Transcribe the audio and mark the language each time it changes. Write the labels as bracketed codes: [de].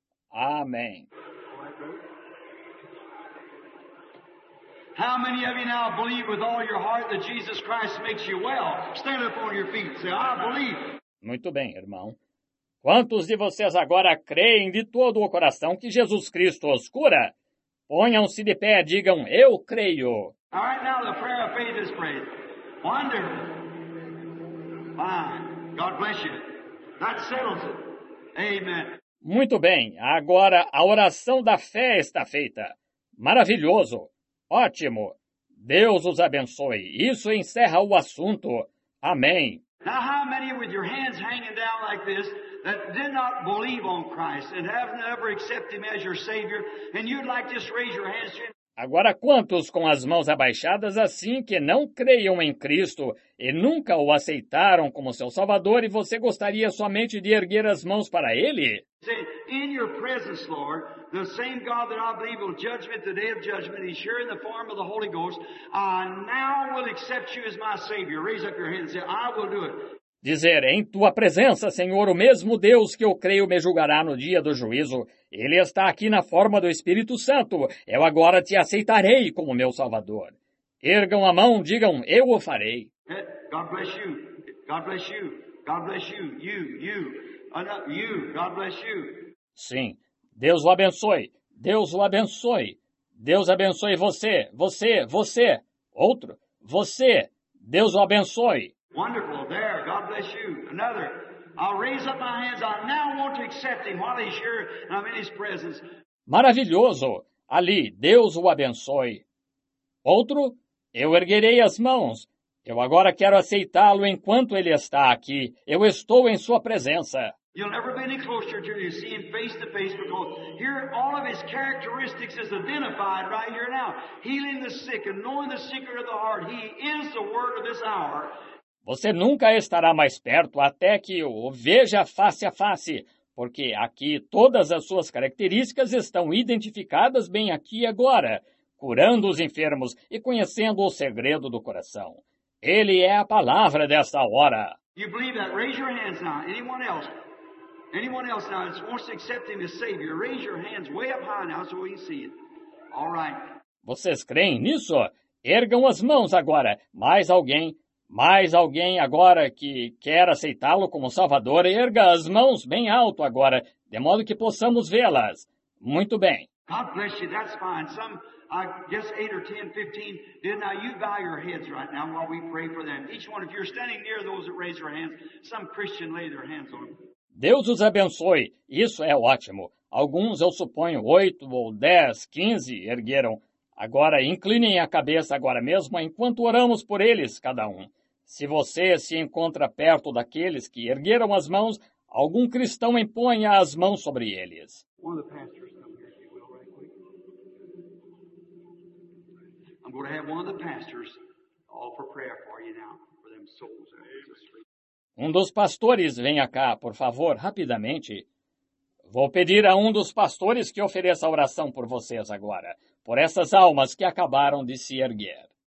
[pt] Amém. [en] How many of you now believe with all your heart that Jesus Christ makes you well? Stand up on your feet. Say, I believe. [pt] Muito bem, irmão. Quantos de vocês agora creem de todo o coração que Jesus Cristo os cura? Ponham-se de pé e digam, eu creio. [en] All right, now the prayer of faith is prayed. Wonderful. Fine. God bless you. That settles it. Amen. [pt] Muito bem, agora a oração da fé está feita. Maravilhoso. Ótimo. Deus os abençoe. Isso encerra o assunto. Amém. [en] Now how many with your hands hanging down like this that did not believe on Christ and have never accepted him as your savior and you'd like to just raise your hands to... [pt] Agora quantos com as mãos abaixadas assim que não creiam em Cristo e nunca o aceitaram como seu salvador e você gostaria somente de erguer as mãos para ele? [en] In your presence, Lord, the same God that I believe will judge me at the day of judgment, he's here in the form of the Holy Ghost, I now will accept you as my Savior. Raise up your hand and say, I will do it. [pt] Dizer, em tua presença, Senhor, o mesmo Deus que eu creio me julgará no dia do juízo. Ele está aqui na forma do Espírito Santo. Eu agora te aceitarei como meu Salvador. Ergam a mão, digam, eu o farei. [en] God bless you. God bless you. God bless you. You, you. You, God bless you. [pt] Sim. Deus o abençoe. Deus o abençoe. Deus abençoe você. Você, você. Outro. Você. Deus o abençoe. [en] Wonderful. There. God bless you. Another. I'll raise up my hands. I now want to accept him while he's here and I'm in his presence. [pt] Maravilhoso. Ali, Deus o abençoe. Outro, eu erguerei as mãos. Eu agora quero aceitá-lo enquanto ele está aqui. Eu estou em sua presença. [en] You'll never be any closer until you see him face to face because here all of his characteristics is identified right here now. Healing the sick and knowing the secret of the heart. He is the word of this hour. [pt] Você nunca estará mais perto até que o veja face a face, porque aqui todas as suas características estão identificadas bem aqui e agora, curando os enfermos e conhecendo o segredo do coração. Ele é a palavra desta hora. [en] You believe that? Raise your hands now. Anyone else? Anyone else now that wants to accept him as Savior? Raise your hands way up high now so we can see it. All right. [pt] Vocês creem nisso? Ergam as mãos agora. Mais alguém... Mais alguém agora que quer aceitá-lo como Salvador, erga as mãos bem alto agora, de modo que possamos vê-las. Muito bem. [en] God bless you, that's fine. Some, I guess 8 or 10, 15, did not you bow your heads right now while we pray for them. Each one, if you're standing near those that raise their hands, some Christian lay their hands on them. [pt] Deus os abençoe. Isso é ótimo. Alguns, eu suponho, 8 ou 10, 15 ergueram. Agora, inclinem a cabeça agora mesmo, enquanto oramos por eles, cada um. Se você se encontra perto daqueles que ergueram as mãos, algum cristão imponha as mãos sobre eles. [en] One of the pastors come here, if you will, right quick. I'm going to have one of the pastors offer prayer for you now, for them souls. [pt] Um dos pastores, venha cá, por favor, rapidamente. Vou pedir a um dos pastores que ofereça oração por vocês agora, por essas almas que acabaram de se erguer.